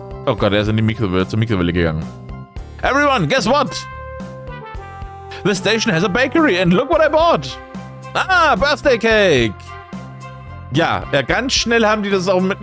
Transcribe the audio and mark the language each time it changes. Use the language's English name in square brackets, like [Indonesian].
[German] Oh Gott, er ist in die Mikrowelle, zur Mikrowelle gegangen. [English] Everyone, guess what? The station has a bakery and look what I bought. Ah, birthday cake. [German] Ja, ja, ganz schnell haben die das auch mit...